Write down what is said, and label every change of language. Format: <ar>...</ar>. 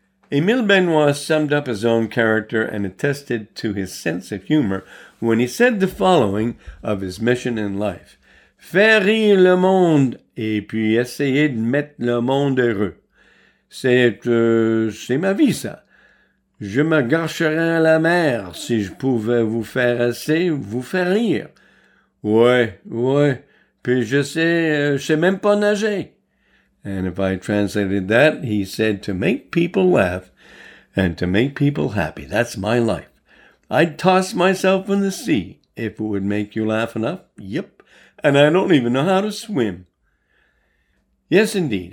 <en>Émile Benoist summed up his own character and attested to his sense of humor when he said the following of his mission in life.</en> <fr>Faire rire le monde et puis essayer de mettre le monde heureux. C'est ma vie, ça. Je me gâcherais à la mer si je pouvais vous faire assez, vous faire rire. Ouais, ouais, puis je sais même pas nager.</fr> <en>And if I translated that, he said, to make people laugh and to make people happy. That's my life. I'd toss myself in the sea if it would make you laugh enough. Yep. And I don't even know how to swim. Yes, indeed.</en>